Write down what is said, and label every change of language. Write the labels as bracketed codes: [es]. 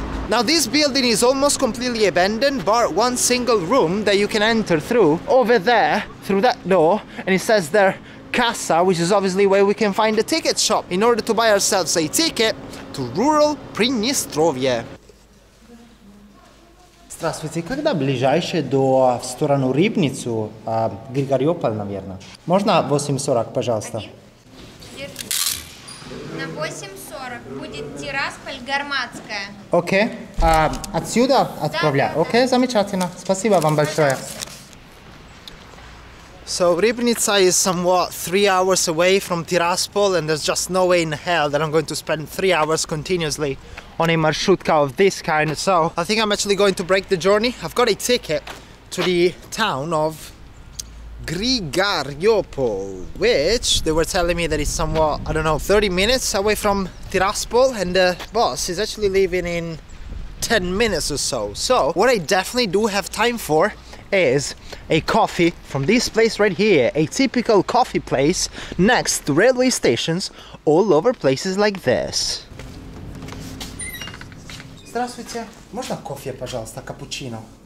[en] Now this building is almost completely abandoned, bar one single room that you can enter through over there, through that door, and it says there Casa, which is obviously where we can find the ticket shop in order to buy ourselves a ticket to rural Pristina. [ru] Здравствуйте, когда ближайшее до в сторону Рыбницу, Григориополь, наверное? Можно 8:40, пожалуйста? На 8:40 будет Тирасполь, Гарматская. Окей. Отсюда отправляю? Окей, замечательно. Спасибо вам большое. [en] So Rybnica is somewhat 3 hours away from Tiraspol, and there's just no way in hell that I'm going to spend 3 hours continuously on a marshrutka of this kind. So I think I'm actually going to break the journey. I've got a ticket to the town of Grigoriopol, which they were telling me that is somewhat, I don't know, 30 minutes away from Tiraspol, and the bus is actually leaving in 10 minutes or so. So what I definitely do have time for is a coffee from this place right here, a typical coffee place next to railway stations all over places like this. [ru] Здравствуйте. Можно кофе, пожалуйста, капучино?